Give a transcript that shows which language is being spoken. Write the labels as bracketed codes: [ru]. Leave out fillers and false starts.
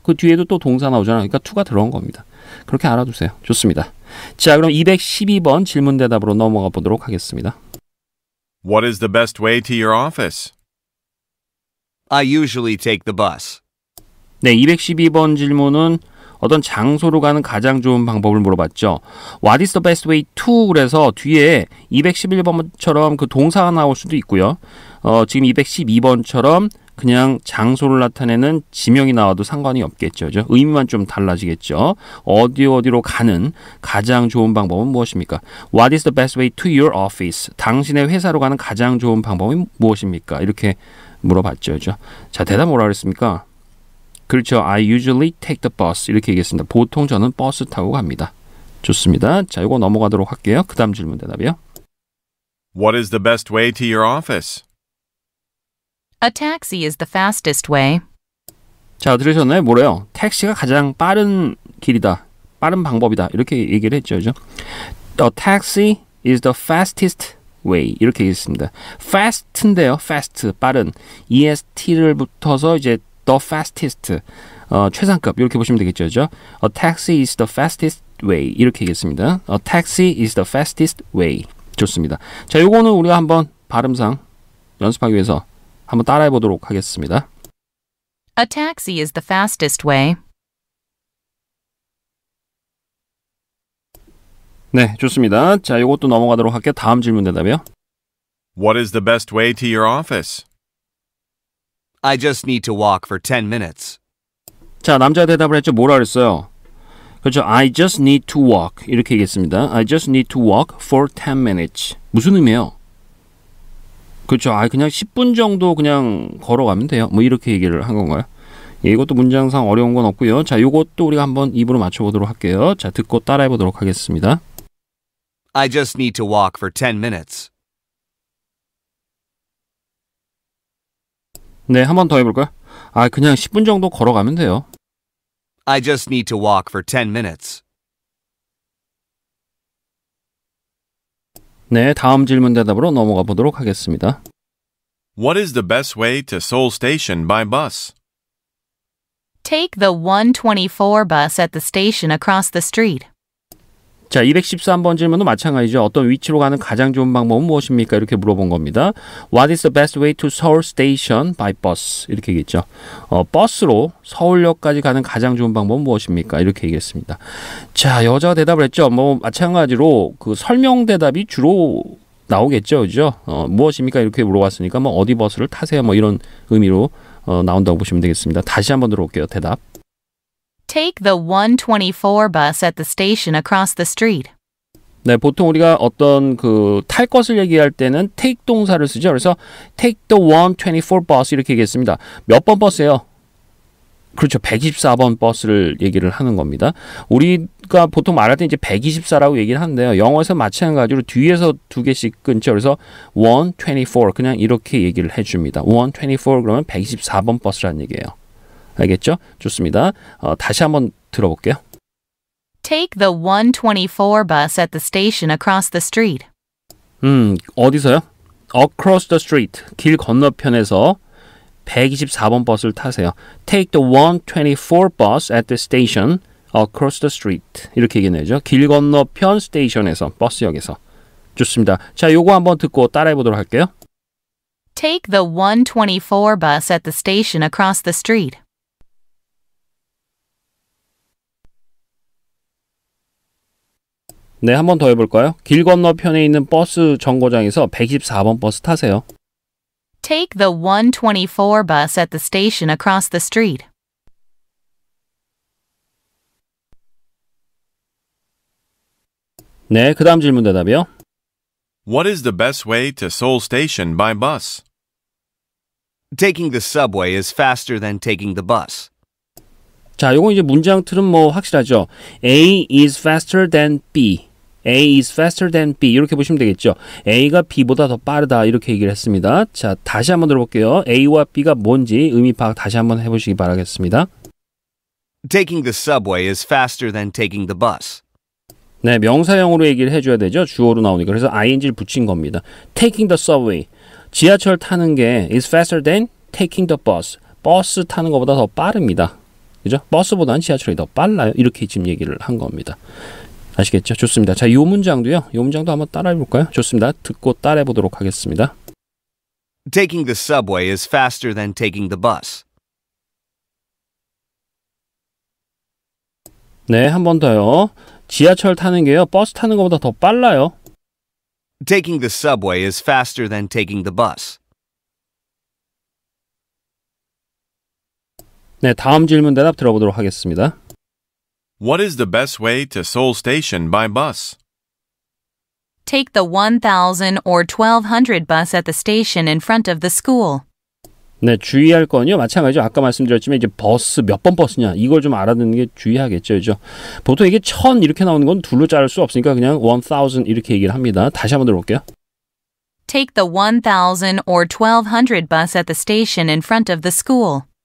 [ko] 그 뒤에도 또 동사 나오잖아요. 그러니까 to가 들어온 겁니다. 그렇게 알아두세요. 좋습니다. 자, 그럼 212번 질문 대답으로 넘어가 보도록 하겠습니다. [en] What is the best way to your office? I usually take the bus. [ko] 네, 212번 질문은 어떤 장소로 가는 가장 좋은 방법을 물어봤죠. [en] What is the best way to? [ko] 그래서 뒤에 211번처럼 그 동사가 나올 수도 있고요. 지금 212번처럼 그냥 장소를 나타내는 지명이 나와도 상관이 없겠죠. 그렇죠? 의미만 좀 달라지겠죠. 어디 어디로 가는 가장 좋은 방법은 무엇입니까? [en] What is the best way to your office? [ko] 당신의 회사로 가는 가장 좋은 방법은 무엇입니까? 이렇게 물어봤죠. 그렇죠? 자, 대답 뭐라 그랬습니까? 그렇죠. [en] I usually take the bus. [ko] 이렇게 얘기했습니다. 보통 저는 버스 타고 갑니다. 좋습니다. 자, 이거 넘어가도록 할게요. 그 다음 질문 대답이요. [en] What is the best way to your office? A taxi is the fastest way. [ko] 자, 들으셨나요? 뭐래요? 택시가 가장 빠른 길이다. 빠른 방법이다. 이렇게 얘기를 했죠. 그렇죠? [en] The taxi is the fastest way. [ko] 이렇게 얘기했습니다. Fast인데요. Fast, 빠른. EST를 붙어서 이제 the fastest, 최상급. 이렇게 보시면 되겠죠. 그렇죠? [en] A taxi is the fastest way. [ko] 이렇게 얘기했습니다. [en] A taxi is the fastest way. [ko] 좋습니다. 자, 요거는 우리가 한번 발음상 연습하기 위해서 한번 따라해 보도록 하겠습니다. [en] A taxi is the fastest way. [ko] 네, 좋습니다. 자, 이것도 넘어가도록 할게요. 다음 질문 대답이요. [en] What is the best way to your office? I just need to walk for 10 minutes. [ko] 자, 남자 대답을 했죠. 뭐라 그랬어요? 그렇죠. [en] I just need to walk. [ko] 이렇게 얘기했습니다. [en] I just need to walk for 10 minutes. [ko] 무슨 의미예요? 그렇죠. 아, 그냥 10분 정도 그냥 걸어가면 돼요. 뭐 이렇게 얘기를 한 건가요? 예, 이것도 문장상 어려운 건 없고요. 자, 이것도 우리가 한번 입으로 맞춰보도록 할게요. 자, 듣고 따라해보도록 하겠습니다. [en] I just need to walk for 10 minutes. [ko] 네, 한번 더 해볼까요? 아, 그냥 10분 정도 걸어가면 돼요. [en] I just need to walk for 10 minutes. [ko] 네, 다음 질문 대답으로 넘어가 보도록 하겠습니다. [en] What is the best way to Seoul Station by bus? Take the 124 bus at the station across the street. [ko] 자, 213번 질문도 마찬가지죠. 어떤 위치로 가는 가장 좋은 방법은 무엇입니까? 이렇게 물어본 겁니다. [en] What is the best way to Seoul Station by bus? [ko] 이렇게 얘기했죠. 버스로 서울역까지 가는 가장 좋은 방법은 무엇입니까? 이렇게 얘기했습니다. 자, 여자가 대답을 했죠. 뭐 마찬가지로 그 설명 대답이 주로 나오겠죠. 그죠? 무엇입니까? 이렇게 물어봤으니까 뭐 어디 버스를 타세요? 뭐 이런 의미로 나온다고 보시면 되겠습니다. 다시 한번 들어볼게요. 대답. [en] Take the 124 bus at the station across the street. [ko] 네, 보통 우리가 어떤 그 탈 것을 얘기할 때는 take 동사를 쓰죠. 그래서 [en] take the 124 bus [ko] 이렇게 얘기했습니다. 몇 번 버스예요? 그렇죠. 124번 버스를 얘기를 하는 겁니다. 우리가 보통 말할 때 이제 124라고 얘기를 하는데요. 영어에서 마찬가지로 뒤에서 두 개씩 끊죠. 그래서 124 그냥 이렇게 얘기를 해 줍니다. 124 그러면 124번 버스라는 얘기예요. 알겠죠? 좋습니다. 다시 한번 들어볼게요. [en] Take the 124 bus at the station across the street. [ko] 어디서요? [en] Across the street. [ko] 길 건너편에서 124번 버스를 타세요. [en] Take the 124 bus at the station across the street. [ko] 이렇게 얘기해야죠. 길 건너편 스테이션에서, 버스역에서. 좋습니다. 자, 요거 한번 듣고 따라해 보도록 할게요. [en] Take the 124 bus at the station across the street. [ko] 네, 한 번 더 해볼까요? 길 건너편에 있는 버스 정거장에서 124번 버스 타세요. [en] Take the 124 bus at the station across the street. [ko] 네, 그 다음 질문 대답이요. [en] What is the best way to Seoul Station by bus? Taking the subway is faster than taking the bus. [ko] 자, 이건 이제 문장 틀은 뭐 확실하죠. [en] A is faster than B. A is faster than B. [ko] 이렇게 보시면 되겠죠. A가 B보다 더 빠르다. 이렇게 얘기를 했습니다. 자, 다시 한번 들어볼게요. A와 B가 뭔지 의미 파악 다시 한번 해보시기 바라겠습니다. [en] Taking the subway is faster than taking the bus. [ko] 네, 명사형으로 얘기를 해줘야 되죠. 주어로 나오니까. 그래서 ing를 붙인 겁니다. [en] Taking the subway. [ko] 지하철 타는 게 [en] is faster than taking the bus. [ko] 버스 타는 것보다 더 빠릅니다. 그죠? 버스보다는 지하철이 더 빨라요. 이렇게 지금 얘기를 한 겁니다. 아시겠죠? 좋습니다. 자, 이 문장도요. 이 문장도 한번 따라해볼까요? 좋습니다. 듣고 따라해보도록 하겠습니다. [en] Taking the subway is faster than taking the bus. [ko] 네, 한 번 더요. 지하철 타는 게요. 버스 타는 것보다 더 빨라요. [en] Taking the subway is faster than taking the bus. [ko] 네, 다음 질문 대답 들어보도록 하겠습니다. [en] What is the best way to Seoul Station by bus? Take the 1000 or 1200 bus at the station in front of the school. [ko] 네, 주의할 건요. 마찬가지죠. 아까 말씀드렸지만 이제 버스 몇 번 버스냐 이걸 좀 알아듣는 게 주의하겠죠. 그죠? 보통 이게 1000 이렇게 나오는 건 둘로 자를 수 없으니까 그냥 1000 이렇게 얘기를 합니다. 다시 한번 들어볼게요. [en] Take the 1000 or 1200 bus at the station in front of the school.